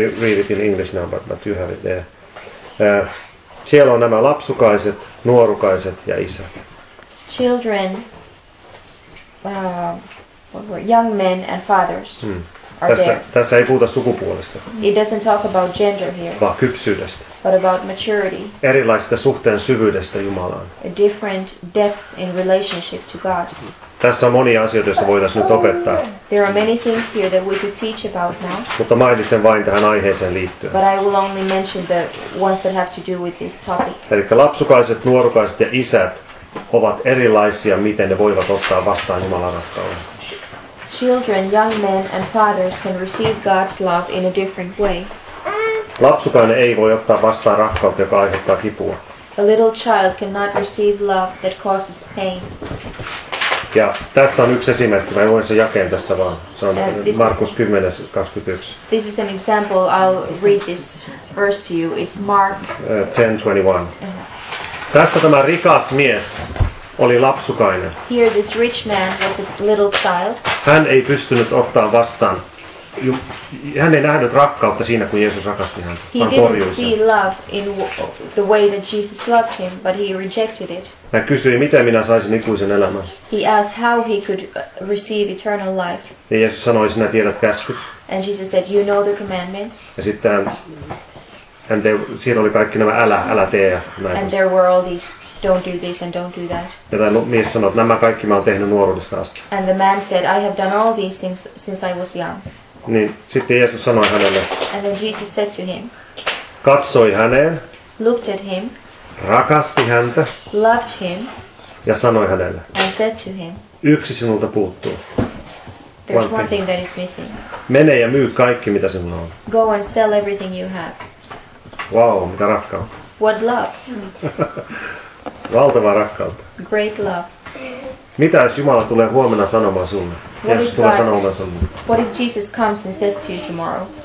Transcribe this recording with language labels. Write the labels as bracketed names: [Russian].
[English] We don't need to read it in English now, but you have it there. [Finnish] Siellä on nämä lapsukaiset, nuorukaiset ja isä. [English] Children, young men and fathers are [Finnish] tässä, [English] there. [Finnish] Tässä ei puhuta sukupuolesta. [English] It doesn't talk about gender here. [Finnish] Vaan kypsyydestä. [English] But about maturity. [Finnish] Erilaisesta suhteen syvyydestä Jumalaan. [English] A different depth in relationship to God. [Finnish] Tässä on monia asioita, joita voitaisiin nyt opettaa. [English] There are many things here that we could teach about now. [Finnish] Mutta mainitsen vain tähän aiheeseen liittyen. [English] But I will only mention the ones that have to do with this topic. [Finnish] Eli lapsukaiset, nuorukaiset ja isät ovat erilaisia, miten ne voivat ottaa vastaan Jumalan rakkauden. [English] Children, young men and fathers can receive God's love in a different way. [Finnish] Lapsukainen ei voi ottaa vastaan rakkautta, joka aiheuttaa kipua. [English] A little child cannot receive love that causes pain. [Finnish] Ja tässä on yksi esimerkki, mä luen sen jakeen tässä vaan. Se on Markus 10:21. [English] This is an example, I'll read this verse to you. It's Mark 10:21. [Finnish] Tässä tämä rikas mies oli lapsukainen. [English] Here this rich man was a little child. [Finnish] Hän ei pystynyt ottaa vastaan. Hän ei nähnyt rakkautta siinä, kun Jeesus rakasti hän. [English] He didn't see love in the way that Jesus loved him, but he rejected it. [Finnish] Hän kysyi, miten minä saisin ikuisen elämän. [English] He asked how he could receive eternal life. [Finnish] Ja Jeesus sanoi, sinä tiedät käskyt. [English] And Jesus said, you know the commandments. [Finnish] Ja sitten siinä oli kaikki nämä älä tee ja näin. [English] And there were all these don't do this and don't do that. [Finnish] Ja tämä mies sanoi, että nämä kaikki mä oon tehnyt nuoruudesta asti. [English] And the man said, I have done all these things since I was young. [Finnish] Niin sitten Jeesus sanoi hänelle. [English] And then Jesus said to him. [Finnish] Katsoi häneen. [English] Looked at him. [Finnish] Rakasti häntä. [English] Loved him. [Finnish] Ja sanoi hänelle. [English] And said to him. [Finnish] Yksi sinulta puuttuu. [English] There's one thing that is missing. [Finnish] Mene ja myy kaikki mitä sinulla on. [English] Go and sell everything you have. [Finnish] Wow, mitä rakkautta. [English] What love. [Finnish] Valtava rakkautta. [English] Great love. [Finnish] Mitä jos Jumala tulee huomenna sanomaan sinulle? Jeesus tulee sanomaan sinulle. [English] What if Jesus comes and says to you tomorrow?